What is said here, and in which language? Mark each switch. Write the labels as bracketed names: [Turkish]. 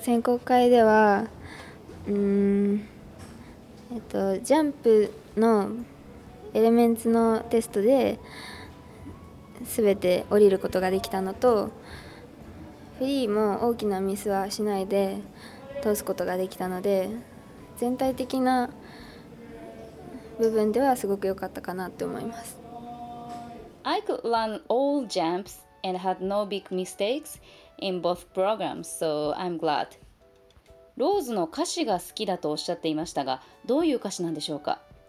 [Japanese] 選考会では、ジャンプのエレメンツのテストで全て降りることができたのと、フリーも大きなミスはしないで通すことができたので、全体的な部分ではすごく良かったかなって思います。 [English] I could learn all jumps. And had no big mistakes in both programs, so I'm glad. [Japanese] ローズの歌詞が好きだとおっしゃっていましたが、どういう歌詞なんでしょうか?